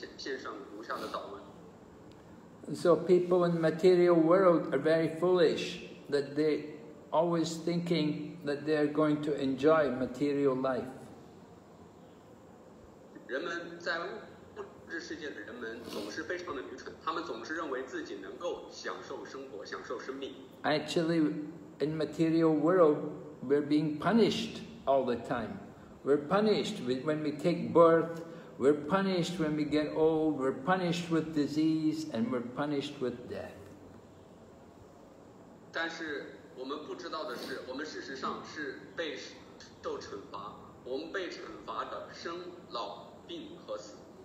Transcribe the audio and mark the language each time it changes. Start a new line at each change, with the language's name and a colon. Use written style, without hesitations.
Chinese: 他们向主致以前进的顶拜，然后清洁他们的内心，向主献上祷文，小心翼翼地发生献上如下的祷文。So
English: people in the material world are very foolish, that they always thinking that they are going to enjoy material life.
Chinese: 人们在物质世界的人们总是非常的愚蠢，他们总是认为自己能够享受生活，享受生命。
English: Actually, in material world, we're being punished all the time. We're punished when we take birth, we're punished when we get old, we're punished with disease, and we're punished with death.
Chinese: 但是我们不知道的是，我们事实上是被受惩罚，我们被惩罚的生老病和死。